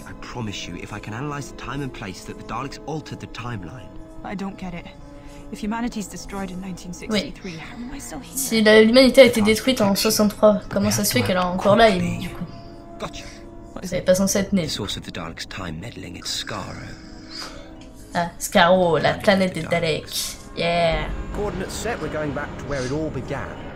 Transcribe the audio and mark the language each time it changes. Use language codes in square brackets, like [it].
[en] I promise you, if I can analyze the time and place that the Daleks altered the timeline. I don't get it. If humanity is destroyed in 1963, how am I still here? [fr] Si l'humanité a été détruite en 63, comment ça se fait qu'elle est encore là, Amy, du coup? Vous n'avez pas censé être née. [en] The source of the Daleks' time meddling is Skaro. [fr] Ah, Skaro, la planète des Daleks. [en] Yeah. Coordinates set, we're going back to where it all began.